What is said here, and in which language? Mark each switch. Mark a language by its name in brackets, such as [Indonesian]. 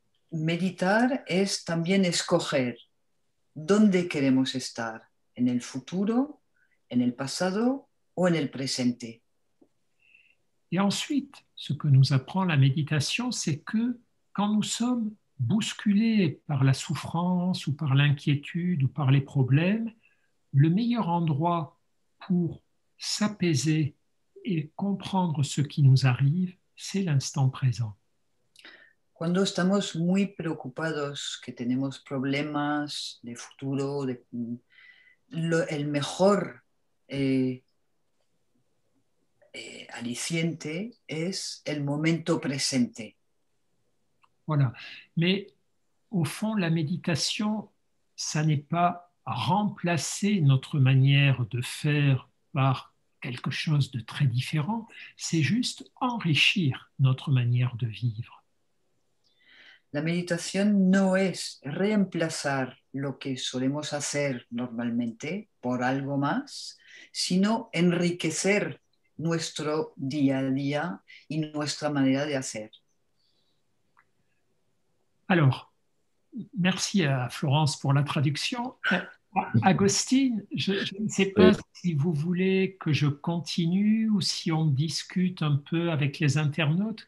[Spanish] Meditar es también escoger dónde queremos estar, en el futuro, en el pasado o en el presente. [French] Et ensuite, ce que nous apprend la méditation, c'est que quand nous sommes bousculés par la souffrance ou par l'inquiétude ou par les problèmes, le meilleur endroit pour s'apaiser et comprendre ce qui nous arrive, c'est l'instant présent. [Spanish] Cuando estamos muy preocupados, que tenemos problemas de futuro, el mejor aliciente es el momento presente. [French] Voilà. Mais au fond, la méditation, ça n'est pas remplacer notre manière de faire par quelque chose de très différent, c'est juste enrichir notre manière de vivre. [Spanish] La méditation no es reemplazar lo que solemos hacer normalmente por algo más, sino enriquecer nuestro día a día y nuestra manera de hacer. [French] Alors, merci à Florence pour la traduction. Agustín, je ne sais pas si vous voulez que je continue ou si on discute un peu avec les internautes.